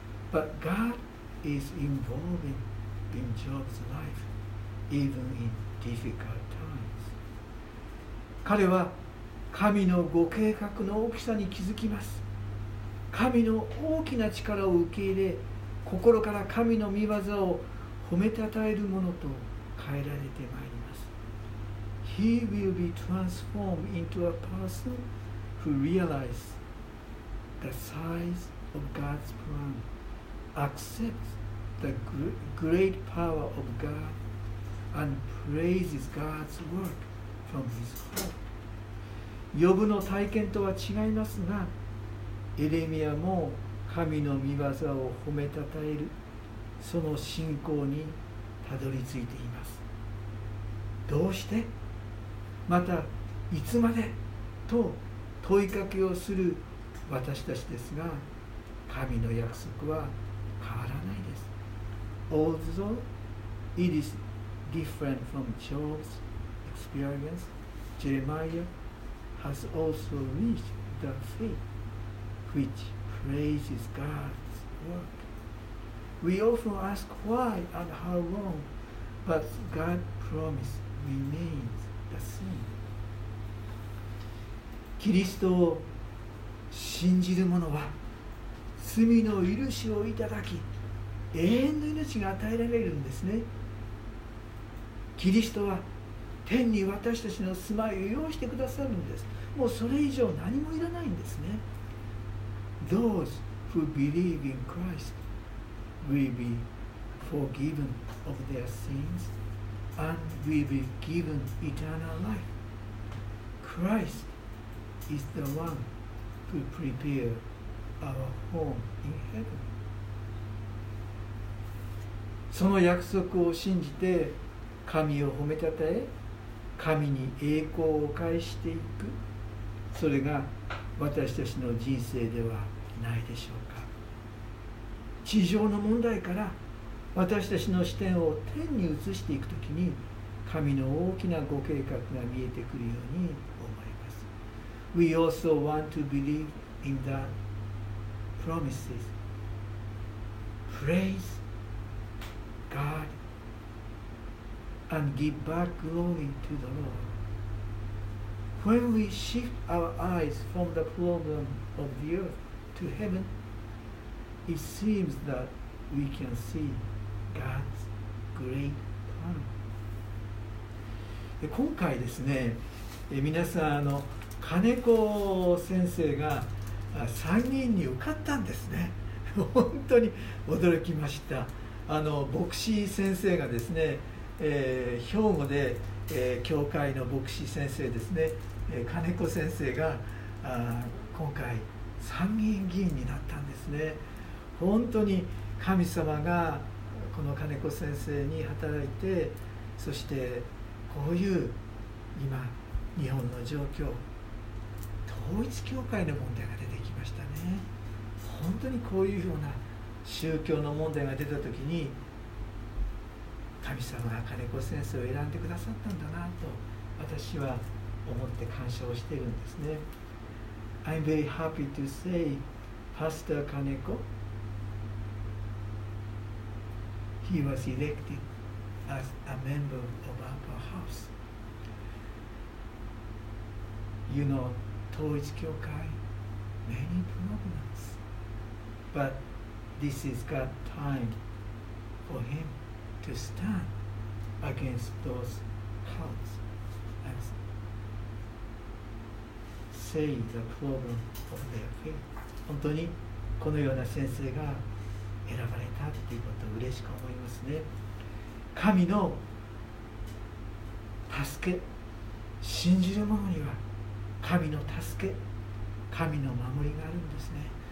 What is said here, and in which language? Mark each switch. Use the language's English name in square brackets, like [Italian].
[English] But God is involved in Job's life, even in difficult times. [Japanese] 彼は神のご計画の大きさに気づきます。神の大きな力を受け入れ、心から神の御業を褒めたたえるものと変えられてまいります。 [English] He will be transformed into a person who realizes the size of God's plan, accepts the great power of GodAnd praises God's work from his heart. [Japanese] ヨブの体験とは違いますが、エレミヤも神の御業を褒めたたえるその信仰にたどり着いています。どうして、またいつまでと問いかけをする私たちですが、神の約束は変わらないです。 [English] Although it isDifferent from Job's experience, Jeremiah has also reached the faith which praises God's work. We often ask why and how long, but God's promise remains the same. [Japanese] キリストを信じる者は罪の許しをいただき、永遠の命が与えられるんですね。キリストは天に私たちの住まいを用意してくださるんです。もうそれ以上何もいらないんですね。 [English] Those who believe in Christ will be forgiven of their sins and will be given eternal life. Christ is the one who prepare our home in heaven. [Japanese] その約束を信じて神を褒めたたえ、神に栄光を返していく、それが私たちの人生ではないでしょうか。地上の問題から私たちの視点を天に移していくときに、神の大きなご計画が見えてくるように思います。 [English] We also want to believe in the promises. Praise God and give back glory to the Lord. When we shift our eyes from the problem of the earth to heaven, it seems that we can seeGod's great plan. [Japanese] で今回ですね、皆さん、あの金子先生が参議院に受かったんですね。本当に驚きました。あの牧師先生がですね、兵庫で、教会の牧師先生ですね、金子先生が今回参議院議員になったんですね。本当に神様がこの金子先生に働いて、そしてこういう今日本の状況、統一教会の問題が出てきましたね。本当にこういうような宗教の問題が出た時に、神様が金子先生を選んでくださったんだなと私は思って感謝をしているんですね。 [English] I'm very happy to say Pastor KanekoHe was elected as a member of our house. You know, 統一教会, many problems. But this is God's time for him to stand against those cults and say the problem of their faith. [Japanese] 本当にこのような先生が選ばれたということを嬉しく思いますね。神の助け、信じる者には神の助け、神の守りがあるんですね。